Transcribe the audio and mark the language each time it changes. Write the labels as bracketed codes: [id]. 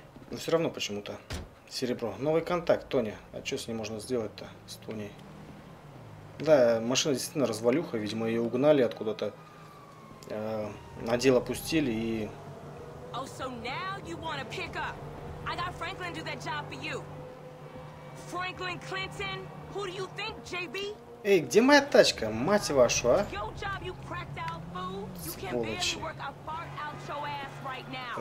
[ru] Но все равно почему-то серебро. Новый контакт, Тоня. А что с ней можно сделать-то, с Тоней? Да, машина действительно развалюха, видимо, ее угнали откуда-то, на дело пустили и... [en] Oh, so now you want to pick up. I got Franklin do that job for you. Franklin Clinton? Who do you think, JB? [ru] Эй, где моя тачка, мать вашу, а? [en] Your job, you cracked out, fool. You can barely work a fart out your ass right now.